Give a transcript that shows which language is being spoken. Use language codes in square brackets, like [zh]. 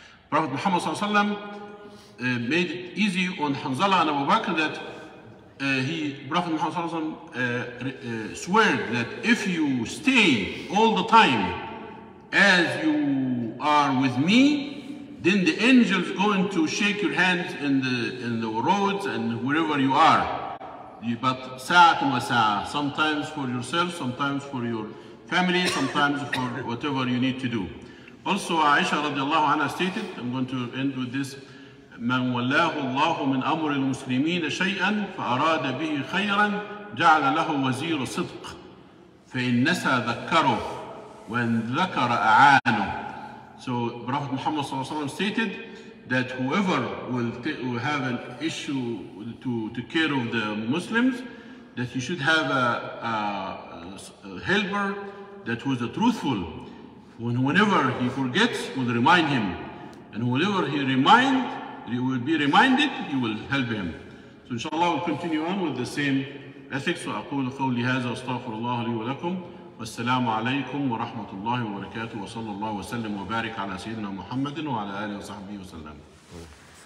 [en] Prophet Muhammad صلى الله عليه وسلم made it easy on Hanzalah and Abu Bakr that Prophet Muhammad صلى الله عليه وسلم sweared that if you stay all the time as you are with me, then the angels going to shake your hand in the roads and wherever you are. But [ar] ساعة وساعة, [en] sometimes for yourself, sometimes for your family, sometimes for whatever you need to do. Also, Aisha radiallahu anha stated, I'm going to end with this, [ar] من ولاه الله من أمر المسلمين شيئا فأراد به خيرا جعل له وزير صدق فإن نسى ذكره وإن ذكر أعانه. [en] So Prophet Muhammad صلى الله عليه وسلم stated that whoever will have an issue to care of the Muslims, that you should have a helper that was a truthful. Whenever he forgets, will remind him. And whenever he remind, he will be reminded, he will help him. So inshallah, we'll continue on with the same ethics. [ar] وأقول قولي هذا واستغفر الله لي ولكم والسلام عليكم ورحمة الله وبركاته وصلى الله وسلم وبارك على سيدنا محمد وعلى آله وصحبه وسلم.